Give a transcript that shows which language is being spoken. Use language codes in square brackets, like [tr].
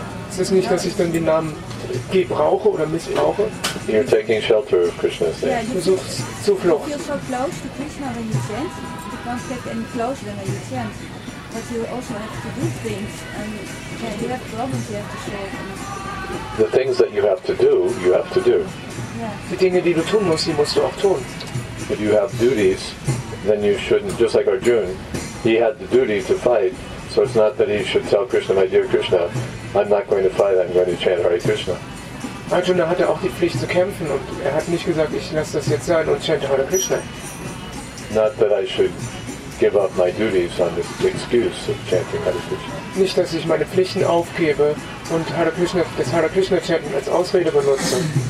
[de] Es ist nicht, dass ich dann den Namen gebrauche oder missbrauche. [en] You're taking shelter of Krishna's name. [de] Du suchst Zuflucht. [en] You feel so close to Krishna when you chant. You can't get any closer than when you chant. but you also have to do things, and you have problems you have to share. The things that you have to do, you have to do. [de] Die Dinge, die du tun musst, die musst du auch tun. [en] If you have duties, then you shouldn't, just like Arjuna, he had the duty to fight, so it's not that he should tell Krishna, my dear Krishna, I'm not going to fight, I'm going to chant Hare Krishna. [de] Arjuna hatte auch die Pflicht zu kämpfen und er hat nicht gesagt, ich lasse das jetzt sein und chante Hare Krishna. [en] Not that I should give up my duties on the excuse of chanting Hare Krishna. [de] Nicht, dass ich meine Pflichten aufgebe und Hare Krishna, das Hare Krishna chanten als Ausrede benutze.